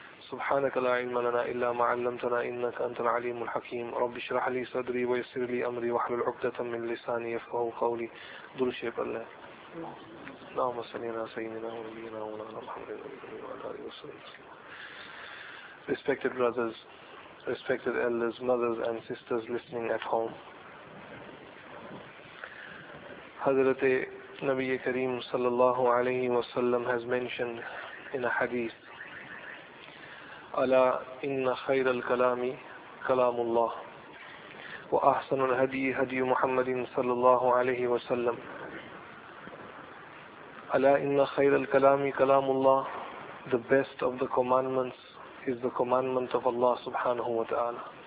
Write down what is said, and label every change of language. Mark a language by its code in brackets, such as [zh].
[ar] سبحانك لا علم لنا إلا ما علمتنا إنك أنت العليم الحكيم. رب اشرح لي صدري ويسر لي أمري واحلل عقدة من لساني يفقهوا قولي. دول شيخ الله اللهم صل على سيدنا ونبينا مولانا محمد وعلى آله وصحبه. [en] Respected brothers, respected elders, mothers and sisters listening at home, Hazrat Nabi Kareem sallallahu alayhi wa sallam has mentioned in a hadith: [ar] ألا إن خير الكلام كلام الله وأحسن الهدي هدي محمد صلى الله عليه وسلم. ألا إن خير الكلام كلام الله. [en] The best of the commandments is the commandment of Allah subhanahu wa ta'ala.